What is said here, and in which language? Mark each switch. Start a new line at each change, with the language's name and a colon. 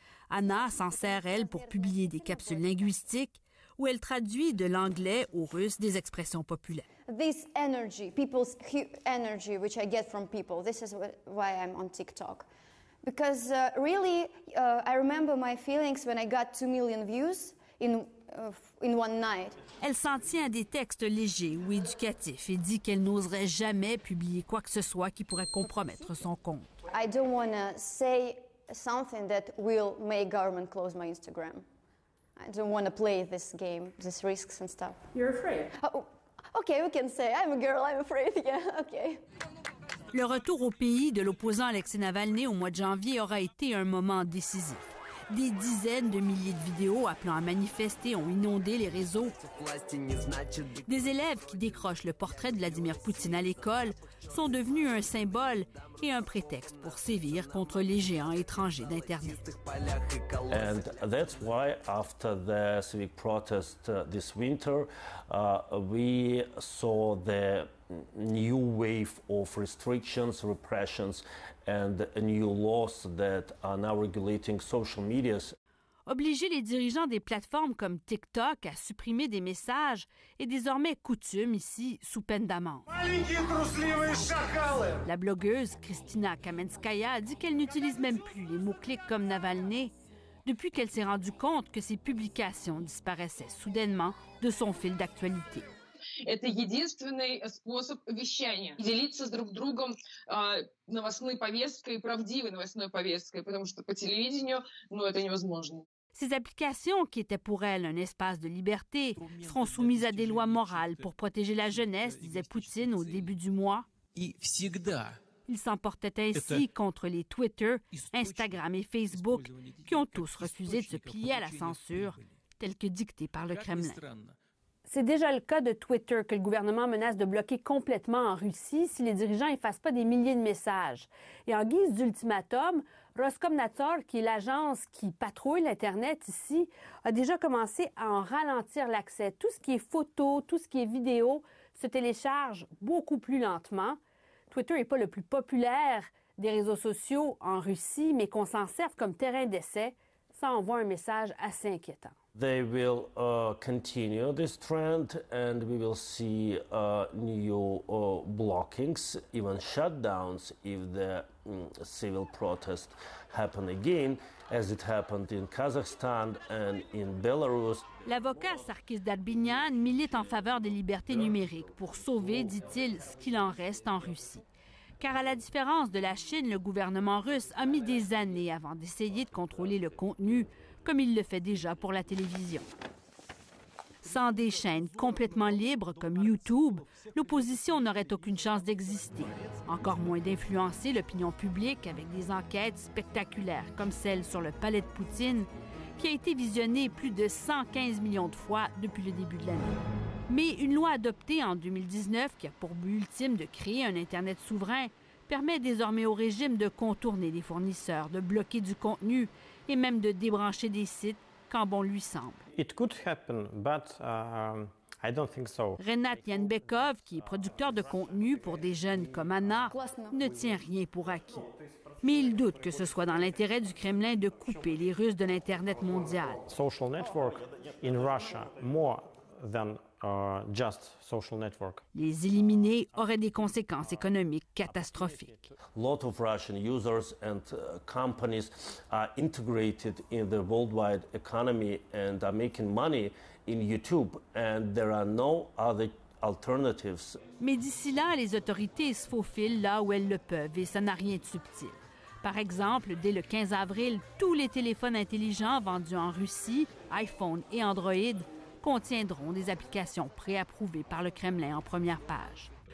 French: Anna s'en sert, elle, pour publier des capsules linguistiques où elle traduit de l'anglais au russe des expressions populaires.
English: This energy, people's energy, which I get from people, this is why I'm on TikTok. Because really, I remember my feelings when I got 2 million views in one night.
French: Elle s'en tient à des textes légers ou éducatifs et dit qu'elle n'oserait jamais publier quoi que ce soit qui pourrait compromettre son compte.
English: I don't want to say something that will make government close my Instagram. I don't want to play this game, these risks and stuff. You're afraid. Oh, okay, we can say I'm a girl, I'm afraid. Yeah, okay.
French: Le retour au pays de l'opposant Alexeï Navalny au mois de janvier aura été un moment décisif. Des dizaines de milliers de vidéos appelant à manifester ont inondé les réseaux. Des élèves qui décrochent le portrait de Vladimir Poutine à l'école sont devenus un symbole et un prétexte pour sévir contre les géants étrangers d'Internet.
English: And that's why after the civic protest this winter, we saw the new wave of restrictions, repressions, and new laws that are now regulating social media.
French: Obliger les dirigeants des plateformes comme TikTok à supprimer des messages est désormais coutume ici sous peine d'amende. La blogueuse Kristina Kamenskaya dit qu'elle n'utilise même plus les mots-clics comme Navalny depuis qu'elle s'est rendue compte que ses publications disparaissaient soudainement de son fil d'actualité.
Russian: Это единственный способ вещания. Делиться с друг другом новостной повесткой, правдивой новостной повесткой, потому что по телевидению, ну, это невозможно.
French: Ces applications, qui étaient pour elle un espace de liberté, seront soumises à des lois morales pour protéger la jeunesse, disait Poutine au début du mois.
Russian: И всегда.
French: Il s'emportait ainsi contre les Twitter, Instagram et Facebook, qui ont tous refusé de se plier à la censure, telle que dictée par le Kremlin. C'est déjà le cas de Twitter que le gouvernement menace de bloquer complètement en Russie si les dirigeants effacent pas des milliers de messages. Et en guise d'ultimatum, Roskomnadzor, qui est l'agence qui patrouille l'Internet ici, a déjà commencé à en ralentir l'accès. Tout ce qui est photo, tout ce qui est vidéo se télécharge beaucoup plus lentement. Twitter n'est pas le plus populaire des réseaux sociaux en Russie, mais qu'on s'en serve comme terrain d'essai, ça envoie un message assez inquiétant.
English: They will continue this trend and we will see new blockings, even shutdowns, if the civil protest happen again, as it happened in Kazakhstan and in Belarus.
French: L'avocat Sarkis Darbinyan milite en faveur des libertés numériques pour sauver, dit-il, ce qu'il en reste en Russie. Car à la différence de la Chine, le gouvernement russe a mis des années avant d'essayer de contrôler le contenu, comme il le fait déjà pour la télévision. Sans des chaînes complètement libres comme YouTube, l'opposition n'aurait aucune chance d'exister, encore moins d'influencer l'opinion publique avec des enquêtes spectaculaires comme celle sur le palais de Poutine, qui a été visionnée plus de 115 millions de fois depuis le début de l'année. Mais une loi adoptée en 2019, qui a pour but ultime de créer un Internet souverain, permet désormais au régime de contourner les fournisseurs, de bloquer du contenu et même de débrancher des sites quand bon lui semble.
English: It could happen, but I don't think so.
French: Renat Yanbekov, qui est producteur de contenu pour des jeunes comme Anna, ne tient rien pour acquis. Mais il doute que ce soit dans l'intérêt du Kremlin de couper les Russes de l'Internet mondial.
English: Social network in Russia more than just social network.
French: Les éliminer aurait des conséquences économiques catastrophiques.
English: Lot of Russian users and companies are integrated in the worldwide economy and are making money in YouTube, and there are no other alternatives.
French: Mais d'ici là, les autorités se faufilent là où elles le peuvent, et ça n'a rien de subtil. Par exemple, dès le 15 avril, tous les téléphones intelligents vendus en Russie, iPhone et Android, contiendront des applications pré-approuvées par le Kremlin en première page.